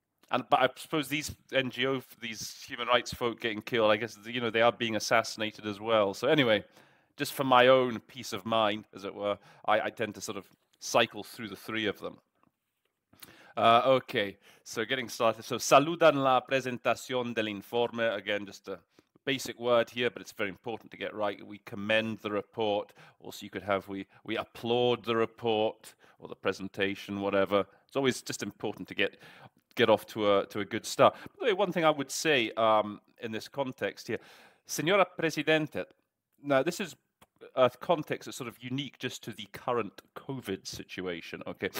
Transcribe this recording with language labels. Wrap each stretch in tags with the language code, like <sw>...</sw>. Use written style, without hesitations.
<en>But I suppose these NGO, these human rights folk getting killed, I guess, you know, they are being assassinated as well. So anyway, just for my own peace of mind, as it were, I tend to sort of cycle through the three of them. Okay, so getting started.</en> <es>So saludan la presentación del informe.</es> <en>Again, just a basic word here, but it's very important to get right. We commend the report. Also, you could have we applaud the report or the presentation, whatever. It's always just important to get off to a good start. By the way, one thing I would say in this context here, Señora Presidente, now this is a context that's sort of unique just to the current COVID situation, okay?</en>